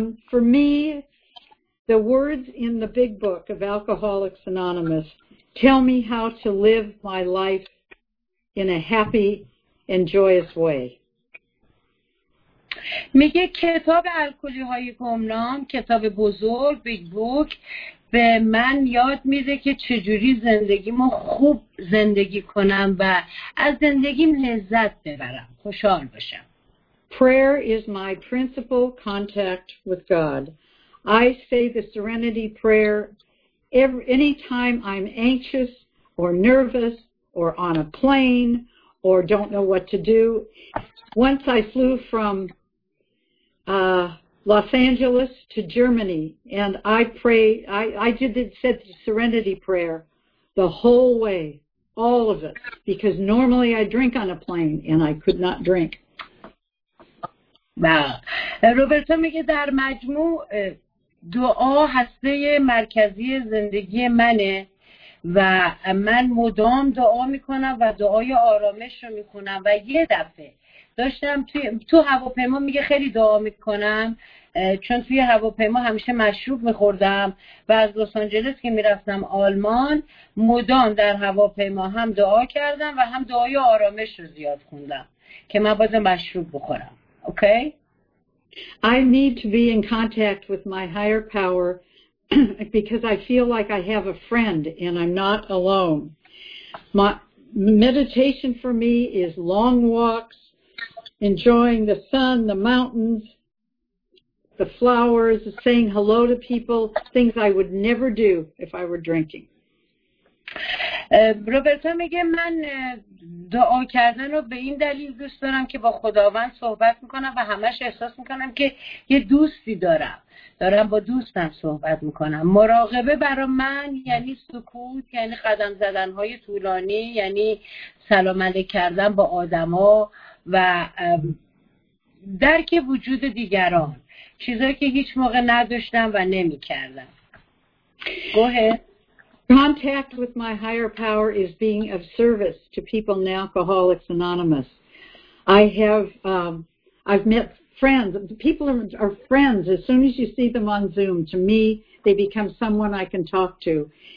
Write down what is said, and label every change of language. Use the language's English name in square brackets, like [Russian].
[English] For me, the words in the big book of Alcoholics Anonymous tell me how to live my life in a happy and joyous way. [Persian] میگه کتاب الکلی های گمنام، کتاب بزرگ، بیگ بوک، به من یاد میده که چجوری زندگیمو خوب زندگی کنم و از زندگیم لذت ببرم، خوشحال باشم. [English] Prayer is my principal contact with God. I say the serenity prayer any time I'm anxious or nervous or on a plane or don't know what to do. Once I flew from Los Angeles to Germany, and I did the serenity prayer the whole way, all of it, because normally I drink on a plane and I could not drink. [Persian] روبرتو میگه در مجموع دعا هسته مرکزی زندگی منه و من مدام دعا میکنم و دعای آرامش رو میکنم و یه دفعه داشتم تو هواپیما میگه خیلی دعا میکنم چون توی هواپیما همیشه مشروب میخوردم و از لس آنجلس که میرفتم آلمان مدام در هواپیما هم دعا کردم و هم دعای آرامش رو زیاد خوندم که من باید مشروب بخورم. اوکی؟ [English] I need to be in contact with my higher power because I feel like I have a friend and I'm not alone. My meditation for me is long walks, enjoying the sun, the mountains, the flowers, saying hello to people, things I would never do if I were drinking. [Persian] روبرتو میگه من دعا کردن رو به این دلیل دوست دارم که با خداوند صحبت میکنم و همش احساس میکنم که یه دوستی دارم. دارم با دوستم صحبت میکنم. مراقبه برای من یعنی سکوت، یعنی قدم زدنهای طولانی، یعنی سلام علیک کردن با آدما و درک وجود دیگران. چیزایی که هیچ موقع نداشتم و نمیکردم. گوه؟ [English] Contact with my higher power is being of service to people in Alcoholics Anonymous. I have I've met friends. People are friends. As soon as you see them on Zoom, to me, they become someone I can talk to.